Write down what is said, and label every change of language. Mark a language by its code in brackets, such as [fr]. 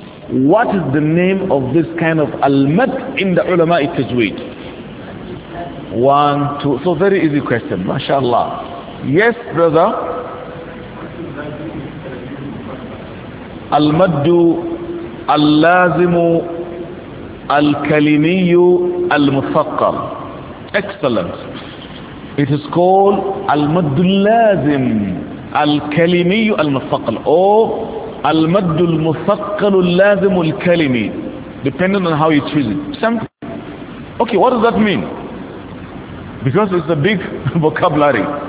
[en] What is the name of this kind of al-mad in the ulama tajweed? One, two, so very easy question, mashallah. Yes, brother. [ar] المد اللازم الكلمي المثقل. [en] Excellent. It is called [ar] المد اللازم الكلمي المثقل [en] or [ar] المد المثقل اللازم الكلمي [en] depending on how you choose it. Okay, what does that mean? Because it's a big vocabulary.